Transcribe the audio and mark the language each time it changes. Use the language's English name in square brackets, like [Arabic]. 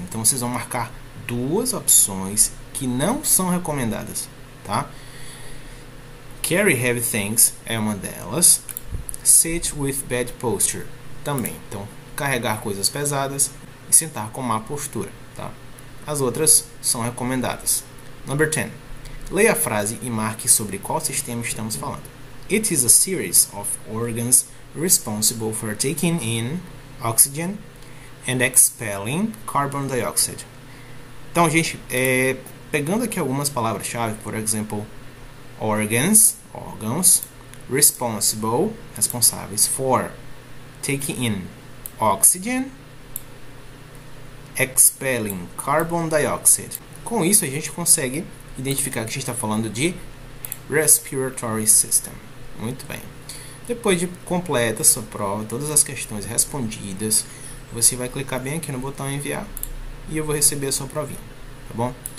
[Portuguese] Então vocês vão marcar duas opções que não são recomendadas, tá? [English] Carry heavy things [Portuguese] é uma delas. [English] Sit with bad posture também. [Portuguese] Então, carregar coisas pesadas e sentar com má postura, tá? As outras são recomendadas. [English] Number 10. [Portuguese] Leia a frase e marque sobre qual sistema estamos falando. [English] It is a series of organs responsible for taking in oxygen and expelling carbon dioxide. [Portuguese] Então, gente, pegando aqui algumas palavras-chave, por exemplo, organs, órgãos, [English] responsible, responsáveis for taking in oxygen, expelling carbon dioxide. [Portuguese] Com isso, a gente consegue identificar que a gente está falando de respiratory system. Muito bem. Depois de completa a sua prova, todas as questões respondidas, você vai clicar bem aqui no botão enviar e eu vou receber a sua provinha, tá bom?